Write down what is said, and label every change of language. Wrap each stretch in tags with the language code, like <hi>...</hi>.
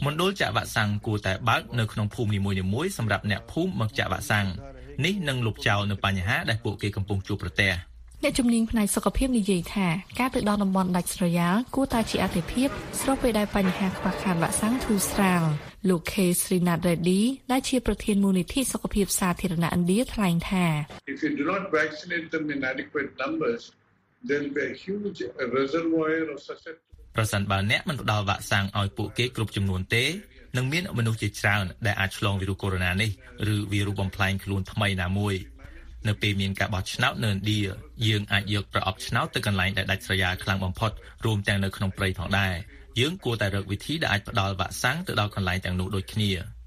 <km>មណ្ឌលចាក់វ៉ាក់សាំងគួរតែបើកនៅក្នុងភូមិនីមួយៗសម្រាប់អ្នកភូមិមកចាក់វ៉ាក់សាំងនេះនឹងលុបចោលនៅបញ្ហាដែលពួកគេកំពុងជួបប្រទះ អ្នកជំនាញផ្នែកសុខភាពនិយាយថាការទៅដល់តំបន់ដាច់ស្រយាលគួរតែជាអាទិភាពស្របពេលដែលបញ្ហាខ្វះខាតវ៉ាក់សាំងធូរស្រាលលោកខេស្រីណាត់រ៉េឌីដែលជាប្រធានមូលនិធិសុខភាពសាធារណៈឥណ្ឌាថ្លែងថា</km> <en>If you do not vaccinate them in adequate numbers then be a huge reservoir of susceptibility</en> <km>ប្រសិនបើអ្នកមិនផ្តល់វ៉ាក់សាំងឲ្យពួកគេគ្រប់ចំនួនទេនឹងមានមនុស្សជាច្រើនដែលអាចឆ្លងវីរុសកូវីដ-19នេះឬវីរុសបំផ្លាញខ្លួនថ្មីណាមួយនៅពេលមានការបោះឆ្នោតនៅឥណ្ឌាយើងអាចយកប្រអប់ឆ្នោតទៅកន្លែងដែលដាច់ស្រយាលខ្លាំងបំផុតរួមទាំងនៅក្នុងព្រៃផងដែរយើងគួរតែរកវិធីដែលអាចផ្ដល់វ៉ាក់សាំងទៅដល់កន្លែងទាំងនោះដូចគ្នាន</km>